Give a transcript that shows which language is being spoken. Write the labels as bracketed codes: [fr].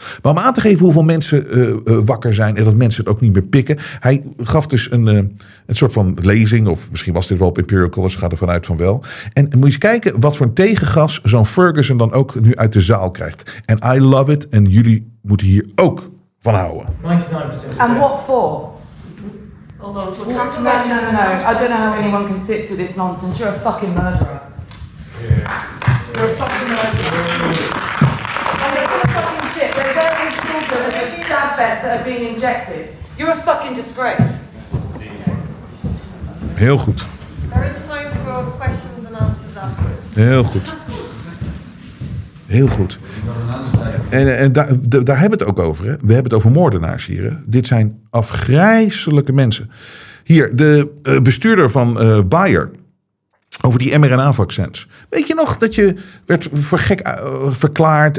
[nl] Maar om aan te geven hoeveel mensen wakker zijn en dat mensen het ook niet meer pikken. Hij gaf dus een soort van lezing, of misschien was dit wel op Imperial College, gaat er vanuit van wel. En moet je eens kijken wat voor een tegengas zo'n Ferguson dan ook nu uit de zaal krijgt. En [en] I love it [nl] en jullie moeten hier ook van houden. 99%. [en] En what for? Hold on, we'll no, no, no. I don't know how anyone can sit through this nonsense. You're a fucking murderer. Yeah. You're a fucking murderer. And they're full of fucking shit. They're burying children as the stab vests that have been injected. You're a fucking disgrace. [nl] Heel goed. [en] There is time for questions and answers afterwards. [nl] Heel goed. Heel goed. En daar hebben we het ook over. Hè? We hebben het over moordenaars hier. Hè? Dit zijn afgrijzelijke mensen. Hier, de bestuurder van Bayer. Over die mRNA-vaccins. Weet je nog dat je werd voor gek verklaard.